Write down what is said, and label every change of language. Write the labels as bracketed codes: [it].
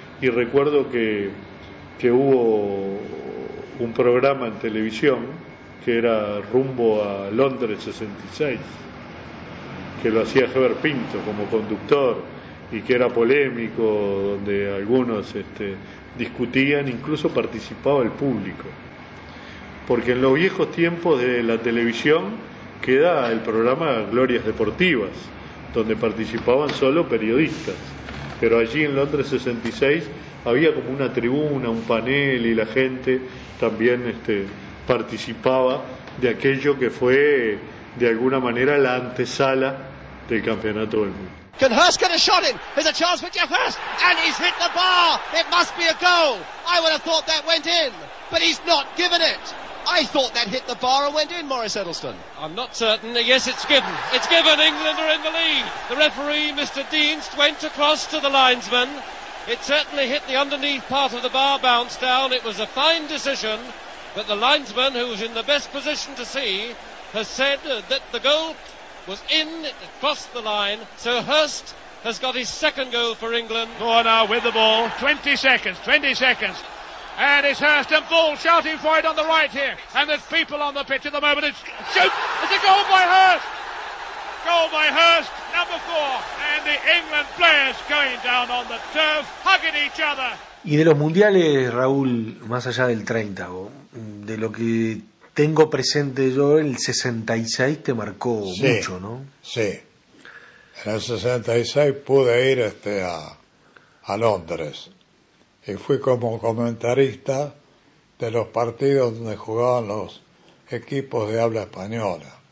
[es] Y recuerdo que hubo un programa en televisión que era rumbo a Londres 66, que lo hacía Heber Pinto como conductor y que era polémico, donde algunos discutían, incluso participaba el público, porque en los viejos tiempos de la televisión queda el programa Glorias Deportivas, donde participaban solo periodistas, pero allí en Londres 66 había como una tribuna, un panel, y la gente también participaba de aquello que fue de alguna manera la antesala del campeonato del mundo. [en] Can Hurst get a shot in? There's a chance for Jeff Hurst, and he's hit the bar. It must be a goal. I would have thought that went in, but he's not given it. I thought that hit the bar and went in, Maurice Edelston. I'm not certain. Yes, it's given. It's given. England are in the lead. The referee, Mr. Deanst, went across to the linesman. It certainly hit the underneath part of the bar, bounced down. It was a fine decision, but the linesman, who was in the best position to see, has said that the goal was in, it crossed the line, so Hurst has got his second goal for England. Moore now with the ball, 20 seconds, and it's Hurst and Bull shouting for it on the right here, and there's people on the pitch at the moment. It's shoot, it's a goal by Hurst, number four, and the England players going down on the turf, hugging each other. [es] Y de los mundiales, Raúl, más allá del 30, de lo que tengo presente yo, el 66 te marcó mucho, ¿no? Sí, en el 66 pude ir a Londres y fui como comentarista de los partidos donde jugaban los equipos de habla española.